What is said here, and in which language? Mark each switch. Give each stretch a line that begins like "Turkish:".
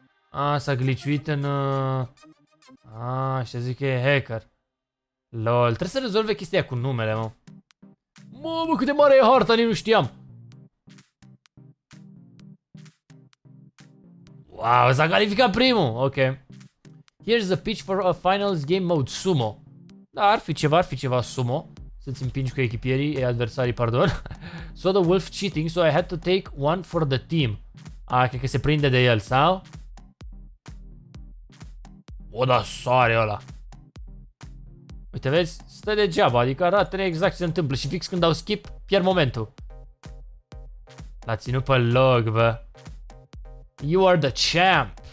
Romanian: A, s-a glitchuit în... A, și zic că e hacker. Lol, trebuie să rezolve chestia cu numele, mă. Mamă, cât de mare e harta, nici nu știam. Wow, s-a calificat primul, ok.
English: Here's the pitch for a finals game mode, sumo.
Romanian: Da, ar fi ceva sumo. Să-ți împingi cu echipierii, adversarii, pardon.
English: Saw the wolf cheating, so I had to take one for the team.
Romanian: A, cred că se prinde de el, sau? O, da, soare ăla. Uite, vezi, stă degeaba, adică arată exact ce se întâmplă și fix când dau skip, pierd momentul. L-a ținut pe log, bă.
English: You are the champ.